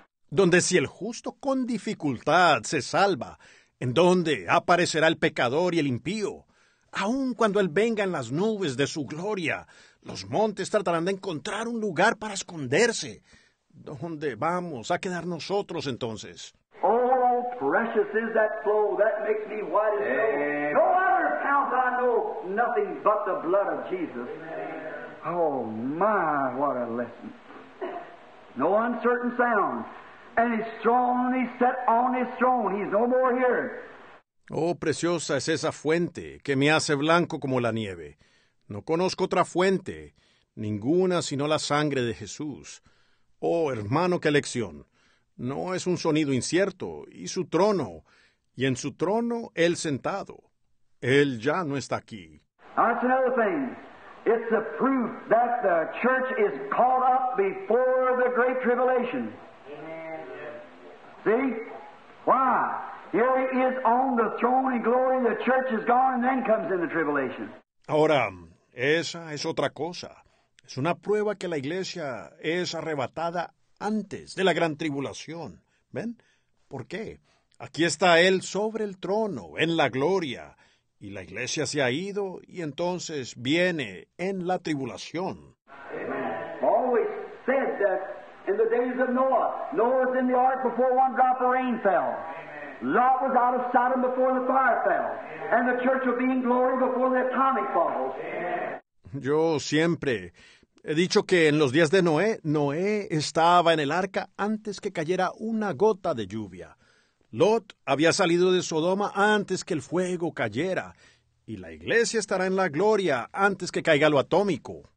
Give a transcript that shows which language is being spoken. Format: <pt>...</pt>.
<es>Donde si el justo con dificultad se salva, ¿en dónde aparecerá el pecador y el impío? Aun cuando él venga en las nubes de su gloria, los montes tratarán de encontrar un lugar para esconderse. ¿Dónde vamos a quedar nosotros entonces?</es> <en>Oh, precious is that flow that makes me white as snow. No other account I know nothing but the blood of Jesus. Oh, my, what a lesson. No uncertain sound. And he's strong and he's set on his throne. He's no more here.</en> <es>Oh, preciosa es esa fuente que me hace blanco como la nieve. No conozco otra fuente, ninguna sino la sangre de Jesús. Oh, hermano, qué lección. No es un sonido incierto, y su trono, y en su trono, él sentado. Él ya no está aquí.</es> <en>That's another thing. It's a proof that the church is caught up before the great tribulation. See? Why? Here he is on the throne in glory, the church is gone, and then comes in the tribulation.</en> <es>Ahora, esa es otra cosa. Es una prueba que la iglesia es arrebatada antes de la gran tribulación. ¿Ven? ¿Por qué? Aquí está él sobre el trono, en la gloria, y la iglesia se ha ido, y entonces viene en la tribulación.</es> <en>Always said that in the days of Noah, Noah was in the ark before one drop of rain fell. Lot was out of Sodom before the fire fell. And the church will be in glory before the atomic falls.</en> <es>Yo siempre he dicho que en los días de Noé, Noé estaba en el arca antes que cayera una gota de lluvia. Lot había salido de Sodoma antes que el fuego cayera. Y la iglesia estará en la gloria antes que caiga lo atómico.</es>